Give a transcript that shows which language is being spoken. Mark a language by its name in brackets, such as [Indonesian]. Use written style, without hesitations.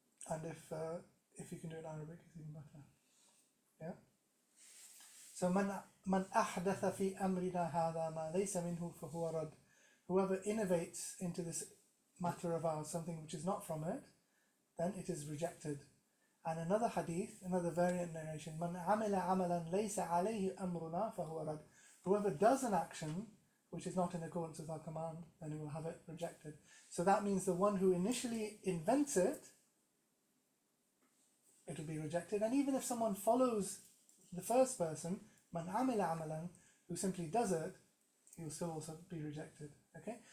[English] And if you can do it in Arabic, it's even better. Yeah? So [Arabic] مَنْ أَحْدَثَ فِي أَمْرِنَا هَذَا مَا لَيْسَ مِنْهُ فَهُوَ رَدْ. [English] Whoever innovates into this matter of ours something which is not from it, then it is rejected. And another hadith, another variant narration, [Arabic] من عمل عملا ليس عليه أمرنا فهو رد. [English] Whoever does an action which is not in accordance with our command, then he will have it rejected. So that means the one who initially invents it, it will be rejected. And even if someone follows the first person, [Arabic] من عمل عملا, [English] who simply does it, he will still also be rejected. Okay.